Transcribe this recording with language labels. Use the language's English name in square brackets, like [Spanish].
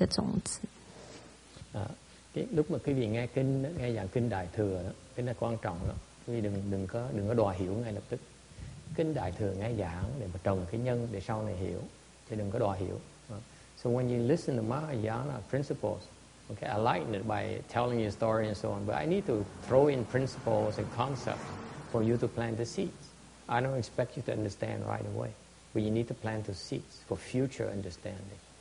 [Chinese] 所以法师说不要太执着于要了解这些东西，我们只是在种这个种子。啊， [Vietnamese] cái lúc mà quý vị nghe kinh, nghe giảng kinh Đại thừa, cái này quan trọng lắm. Quý vị đừng có đòi hiểu ngay lập tức. Kinh Đại thừa nghe giảng để mà trồng cái nhân để sau này hiểu, chứ đừng có đòi hiểu. [English] So when you listen to Mahayana principles, okay, I like it by telling you story and so on, but I need to throw in principles and concepts for you to plant the seeds. I don't expect you to understand right away, but you need to plant the seeds for future understanding.